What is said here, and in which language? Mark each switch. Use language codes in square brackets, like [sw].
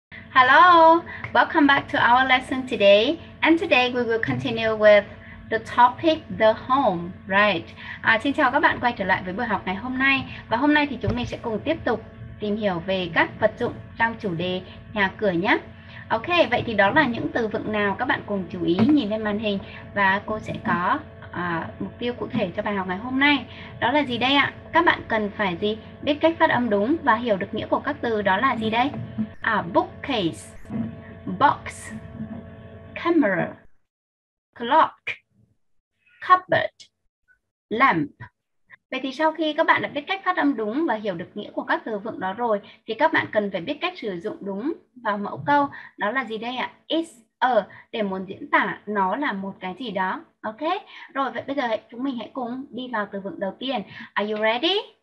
[en] Hello, welcome back to our lesson today. And today we will continue with the topic the home, right? [vi] Xin chào các bạn quay trở lại với buổi học ngày hôm nay. Và hôm nay thì chúng mình sẽ cùng tiếp tục tìm hiểu về các vật dụng trong chủ đề nhà cửa nhé. Ok, vậy thì đó là những từ vựng nào các bạn cùng chú ý nhìn lên màn hình. Và cô sẽ có mục tiêu cụ thể cho bài học ngày hôm nay. Đó là gì đây ạ? Các bạn cần phải gì? Biết cách phát âm đúng và hiểu được nghĩa của các từ đó là gì đây? [en] Bookcase, box, camera, clock, cupboard, lamp. [vi] Vậy thì sau khi các bạn đã biết cách phát âm đúng và hiểu được nghĩa của các từ vựng đó rồi, thì các bạn cần phải biết cách sử dụng đúng vào mẫu câu. Đó là gì đây ạ? Is, a, để muốn diễn tả nó là một cái gì đó. Ok, rồi vậy bây giờ chúng mình hãy cùng đi vào từ vựng đầu tiên. [en] Are you ready?